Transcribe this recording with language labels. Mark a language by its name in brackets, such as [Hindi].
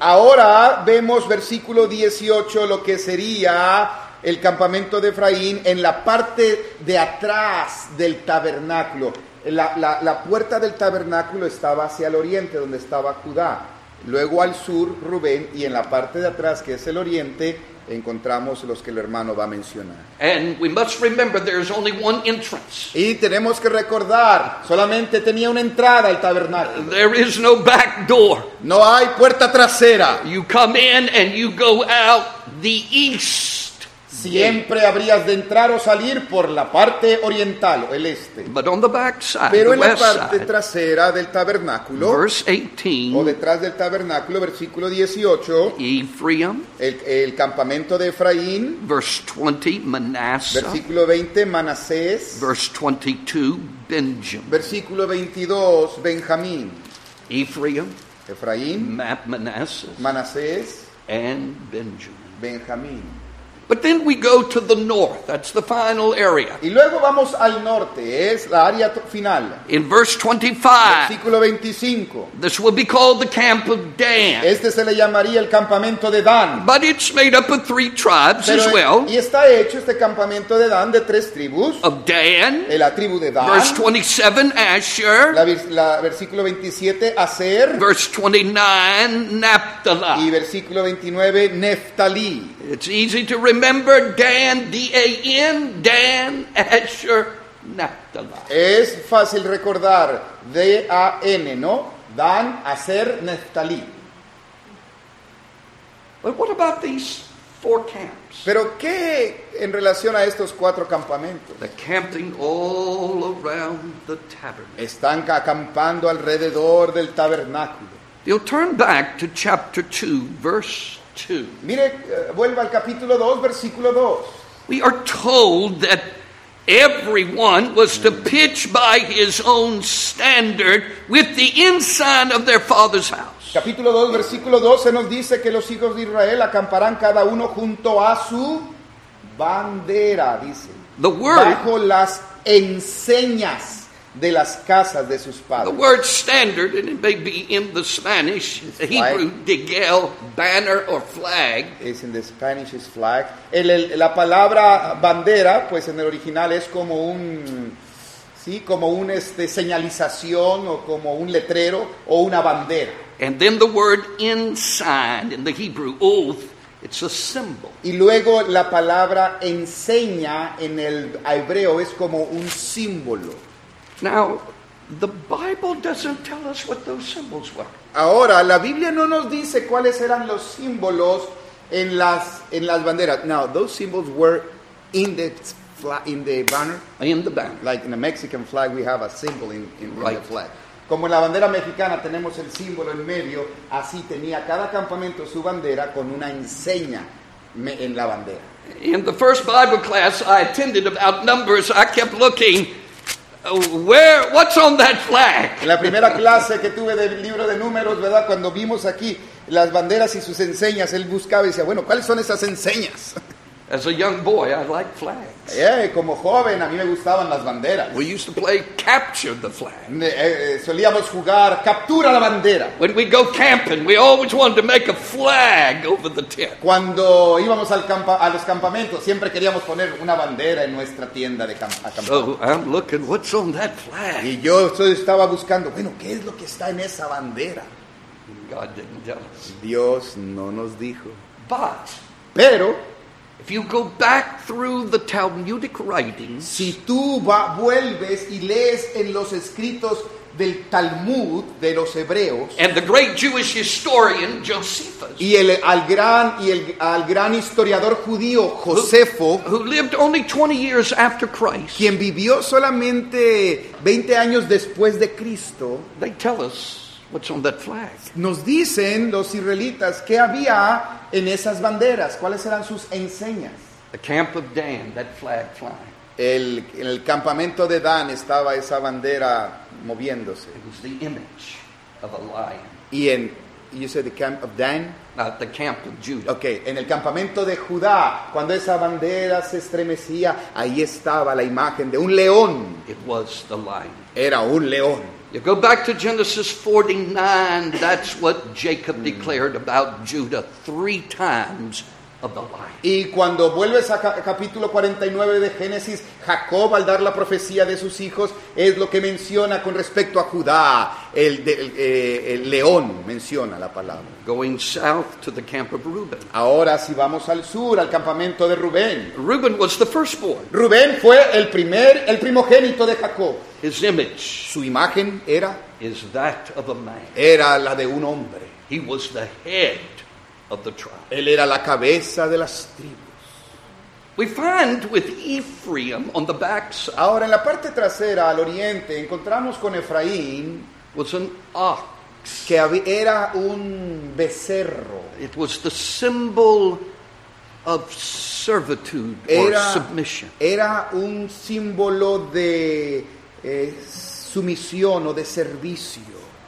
[Spanish] Ahora vemos versículo 18, lo que sería el campamento de Efraín en la parte de atrás del tabernáculo. La puerta del tabernáculo estaba hacia el oriente, donde estaba Judá. Luego al sur, Rubén, y en la parte de atrás, que es el oriente, encontramos los que el hermano va a mencionar. [English] And we must remember there's only one entrance. [Spanish] Y tenemos que recordar, solamente tenía una entrada al tabernáculo. [English] There is no back door. [Spanish] No hay puerta trasera. [English] You come in and you go out the east. [Spanish] Siempre habrías de entrar o salir por la parte oriental o el este. [English] But on the back side, [Spanish] pero en [English] the [Spanish] la parte [English] side, [Spanish] trasera del tabernáculo, [English] verse 18, [Spanish] o detrás del tabernáculo, versículo 18, [English] Ephraim, [Spanish] el campamento de Efraín, [English] verse 20, Manasseh, [Spanish] versículo 20, Manasés, [English] verse 22, Benjamin, [Spanish] versículo 22, Benjamín, [English] Ephraim, [Spanish] Efraín, Manasés, [English] and Benjamin. Benjamín. But then we go to the north. That's the final area. [Spanish] Y luego vamos al norte, es la área final. [English] In verse 25. [Spanish] Versículo 25. [English] This will be called the camp of Dan. [Spanish] Este se le llamaría el campamento de Dan. [English] But it's made up of three tribes as well. [Spanish] Y está hecho este campamento de Dan de tres tribus. [English] Of Dan. [Spanish] De la tribu de Dan. [English] Verse 27, Asher. [Spanish] La versículo 27, Aser. [English] Verse 29, Naphtali. [Spanish] Y versículo 29, Neftalí. [English] It's easy to remember Dan, D-A-N, Dan, Asher, Naphtali. [Spanish] Es fácil recordar D-A-N, ¿no? [English] Dan, Asher, Naphtali. But what about these four camps? [Spanish] Pero ¿qué en relación a estos cuatro campamentos? [English] They're camping all around the tabernacle. [Spanish] Están acampando alrededor del tabernáculo. [English] You'll turn back to chapter 2, verse 2. [Spanish] Mire, vuelva al capítulo 2, versículo 2. [English] We are told that everyone was to pitch by his own standard with the ensign of their father's house. [Spanish] Capítulo 2, versículo 2, se nos dice que los hijos de Israel acamparán cada uno junto a su bandera, dice. [English] The word, [Spanish] bajo las enseñas de las casas de sus padres. [English] The word standard, and it may be in the Spanish, the Hebrew, degel, banner or flag. Is in the Spanish is flag. [Spanish] La palabra bandera, pues en el original es como un, sí, como un señalización o como un letrero o una bandera. [English] And then the word ensign in the Hebrew, oath, it's a symbol. [Spanish] Y luego la palabra enseña en el hebreo es como un símbolo. [English] Now, the Bible doesn't tell us what those symbols were. [Spanish] Ahora, la Biblia no nos dice cuáles eran los símbolos en las banderas. [English] Now, those symbols were in the banner. In the banner. Like in the Mexican flag, we have a symbol in the flag. [Spanish] Como en la bandera mexicana tenemos el símbolo en medio, así tenía cada campamento su bandera con una enseña en la bandera. [English] In the first Bible class I attended about numbers, I kept looking. What's on that flag? [Spanish] La primera clase que tuve del libro de números, ¿verdad? Cuando vimos aquí las banderas y sus enseñas, él buscaba y decía, bueno, ¿cuáles son esas enseñas? [English] As a young boy, I liked flags. [Spanish] Como joven, a mí me gustaban las banderas. [English] We used to play capture the flag. [Spanish] Solíamos jugar captura la bandera. [English] When we go camping, we always wanted to make a flag over the tent. [Spanish] Cuando íbamos a los campamentos, siempre queríamos poner una bandera en nuestra tienda de acampamento. [English] So I'm looking, what's on that flag? [Spanish] Y yo estaba buscando, bueno, ¿qué es lo que está en esa bandera? [English] God didn't tell us. [Spanish] Dios no nos dijo. [English] But. [Spanish] Pero. [English] If you go back through the Talmudic writings, [Spanish] si tú vuelves y lees en los escritos del Talmud de los hebreos, [English] and the great Jewish historian Josephus, [Spanish] y al gran historiador judío Josefo, [English] who lived only 20 years after Christ, [Spanish] quien vivió solamente 20 años después de Cristo, [English] they tell us what's on that flag. [Spanish] Nos dicen los israelitas que había en esas banderas, ¿cuáles eran sus enseñas? [English] The camp of Dan, that flag flying. [Spanish] En el campamento de Dan estaba esa bandera moviéndose. [English] It was the image of a lion. [Spanish] Y en, [English] you said the camp of Dan? Not the camp of Judah. [Spanish] Okay, en el campamento de Judá, cuando esa bandera se estremecía, ahí estaba la imagen de un león. [English] It was the lion. [Spanish] Era un león. [English] You go back to Genesis 49, that's what Jacob declared about Judah three times of the lie. [Spanish] Y cuando vuelves a capítulo 49 de Génesis, Jacob, al dar la profecía de sus hijos, es lo que menciona con respecto a Judá, el león, menciona la palabra. [English] Going south to the camp of Reuben. [Spanish] Ahora, si vamos al sur, al campamento de Rubén. [English] Reuben was the firstborn. [Spanish] Rubén fue el primogénito de Jacob. [English] His image. [Spanish] Su imagen era. [English] Is that of a man. [Spanish] Era la de un hombre. [English] He was the head of the tribe. [Spanish] Él era la cabeza de las tribus. [English] We find with Ephraim on the back side. [Spanish] Ahora, en la parte trasera, al oriente, encontramos con Efraín. [English] Was an ox. [Spanish] Que era un becerro. [English] It was the symbol of servitude [Spanish] era, [English] or submission. [Spanish] Era un símbolo de sumisión o de servicio.